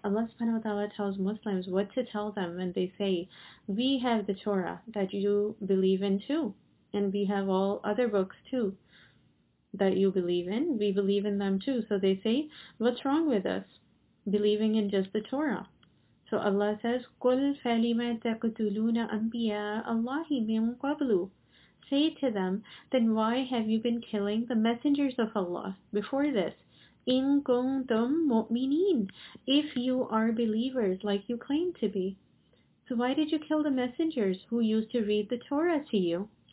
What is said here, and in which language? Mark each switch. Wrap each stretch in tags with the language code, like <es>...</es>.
<en>Allah subhanahu wa ta'ala tells Muslims what to tell them when they say, we have the Torah that you believe in too. And we have all other books too that you believe in. We believe in them too. So they say, what's wrong with us believing in just the Torah? So Allah says,</en> <ar>قُلْ فَلِمَ تَقْتُلُونَ أَنْبِيَاءَ اللَّهِ مِنْ قَبْلُ.</ar> <en>Say to them, then why have you been killing the messengers of Allah before this?</en> <ar>إِن كُنْتُمْ مُؤْمِنِينَ.</ar> <en>If you are believers like you claim to be. So why did you kill the messengers who used to read the Torah to you?</en>